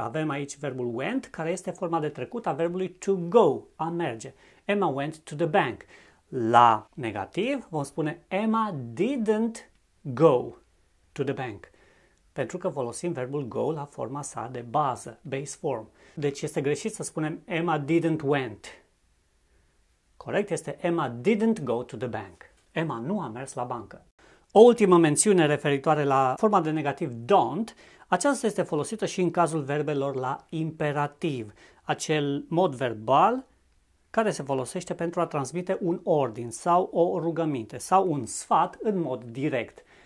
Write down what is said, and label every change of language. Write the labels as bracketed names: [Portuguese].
[Romanian] Avem aici verbul went, care este forma de trecut a verbului to go, a merge. [English] Emma went to the bank. [Romanian] La negativ vom spune Emma [English] didn't go to the bank, [Romanian] pentru că folosim verbul go la forma sa de bază, [English] base form. [Romanian] Deci este greșit să spunem Emma [English] didn't went. [Romanian] Corect este [English] Emma didn't go to the bank. [Romanian] Emma nu a mers la bancă. O ultimă mențiune referitoare la forma de negativ don't. Aceasta este folosită și în cazul verbelor la imperativ, acel mod verbal care se folosește pentru a transmite un ordin sau o rugăminte sau un sfat în mod direct.